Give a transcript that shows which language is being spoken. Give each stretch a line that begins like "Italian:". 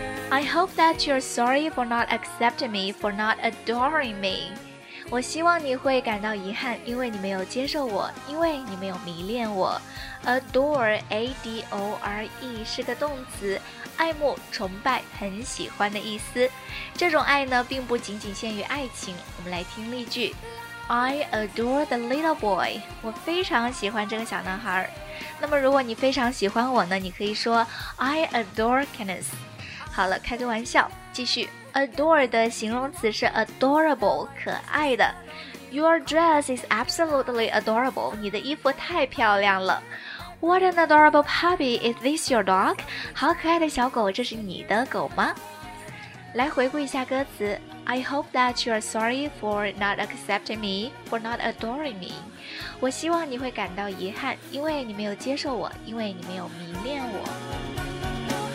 English: I hope that you're sorry for not accepting me, for not adoring me.
Chinese: 我希望你会感到遗憾，因为你没有接受我，因为你没有迷恋我。 Adore A-D-O-R-E 是个动词，爱慕、崇拜、很喜欢的意思。这种爱呢，并不仅仅限于爱情。我们来听例句。
English: I adore the little boy，
Chinese: 我非常喜欢这个小男孩。那么如果你非常喜欢我呢，你可以说
English: I adore Kenneth。
Chinese: 好了，开个玩笑，继续。 Adore 的形容词是 adorable， 可爱的。
English: Your dress is absolutely adorable，
Chinese: 你的衣服太漂亮了。
English: What an adorable puppy, is this your dog?
Chinese: 好可爱的小狗，这是你的狗吗？来回顾一下歌词。
English: I hope that you are sorry for not accepting me, for not adoring me。
Chinese: 我希望你会感到遗憾，因为你没有接受我，因为你没有迷恋我。